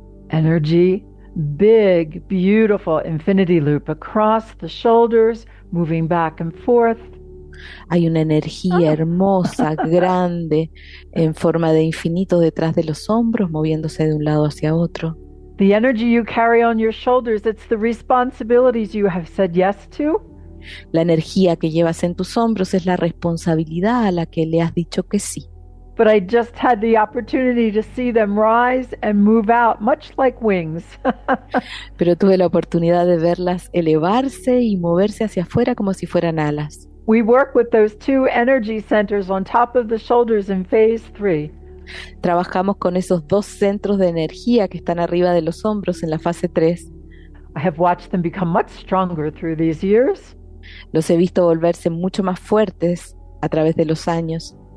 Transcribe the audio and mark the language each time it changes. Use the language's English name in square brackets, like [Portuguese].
[English] Energy, big, beautiful infinity loop across the shoulders, moving back and forth. [Spanish] Hay una energía hermosa, grande, en forma de infinito detrás de los hombros, moviéndose de un lado hacia otro. [English] The energy you carry on your shoulders, it's the responsibilities you have said yes to. [Spanish] La energía que llevas en tus hombros es la responsabilidad a la que le has dicho que sí. [English] But I just had the opportunity to see them rise and move out, much like wings. [Spanish] Pero tuve la oportunidad de verlas elevarse y moverse hacia afuera como si fueran alas. [English] We work with those two energy centers on top of the shoulders in phase 3. [Spanish] Trabajamos con esos dos centros de energía que están arriba de los hombros en la fase 3. [English] I have watched them become much stronger through these years. [Spanish] Los he visto volverse mucho más fuertes a través de los años.